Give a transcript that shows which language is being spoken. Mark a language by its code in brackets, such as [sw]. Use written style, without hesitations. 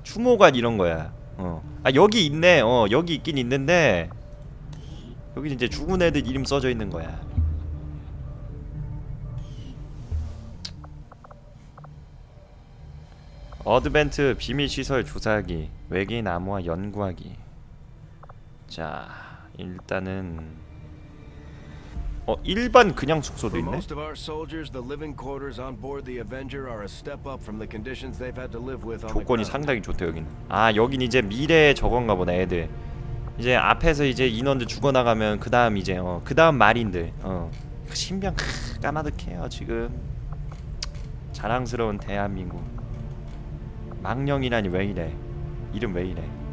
[ko] 추모관 이런 거야. 아, 여기 있네. 여기 있긴 있는데 여기 이제 죽은 애들 이름 써져 있는 거야. 어드벤트 비밀 시설 조사하기, 외계인 암호화 연구하기. 자, 일단은 일반 그냥 숙소도 있네. [en] For most of our soldiers, the living quarters on board the Avenger are a step up from the conditions they've had to live with. [ko] 조건이 상당히 좋대 여기는. 아, 여긴 이제 미래의 저건가 보네. 애들 이제 앞에서 이제 인원들 죽어나가면 그 다음 이제 그 다음 말인들. 신변 까마득해요 지금. 자랑스러운 대한민국. 망령이라니 왜 이래? 이름 왜 이래?